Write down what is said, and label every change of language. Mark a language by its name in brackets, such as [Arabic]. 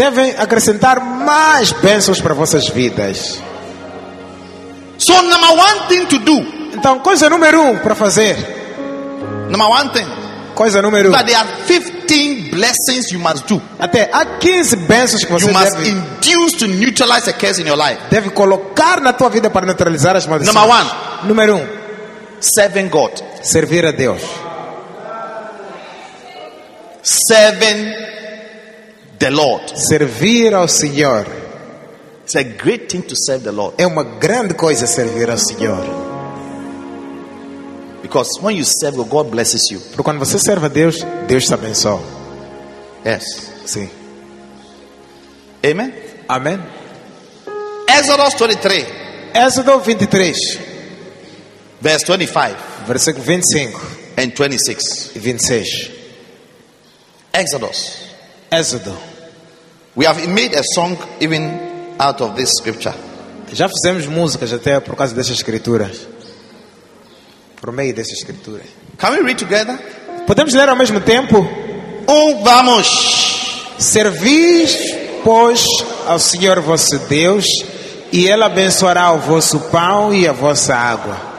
[Portuguese] Deve acrescentar mais bênçãos para vossas vidas. [English] So number one thing to do. [Portuguese] Então coisa número um para fazer. [English] Number one thing. [Portuguese] Coisa número um. [English] That there are 15 blessings you must do. [Portuguese] Até há 15 bênçãos que você [English] you must induce to neutralize a curse in your life. [Portuguese] Deve colocar na tua vida para neutralizar as maldições. [English] Number one. [Portuguese] Número um. [English] Serving God. [Portuguese] Servir a Deus. [English] Serving the Lord. [Portuguese] Servir ao Senhor. [English] It's a great thing to serve the Lord. [Portuguese] É uma grande coisa servir ao Senhor. [English] Because when you serve God, God blesses you. [Portuguese] Porque quando você serve a Deus, Deus te abençoa. [English] Yes. [Portuguese] Sim. [English] Amen. [Portuguese] Amen. [English] Exodus 23. [Portuguese] Êxodo 23. [English] Verse 25. [Portuguese] Versículo 25. [English] And 26. [Portuguese] E 26. [English] Exodus. [Portuguese] Exodo. [English] We have made a song even out of this scripture. [Portuguese] Já fizemos músicas até por causa dessas escrituras. Por meio dessas escrituras. [English] Can we read together? [Portuguese] Podemos ler ao mesmo tempo? Vamos. Servis, pois, ao Senhor vosso Deus, e Ele abençoará o vosso pão e a vossa água.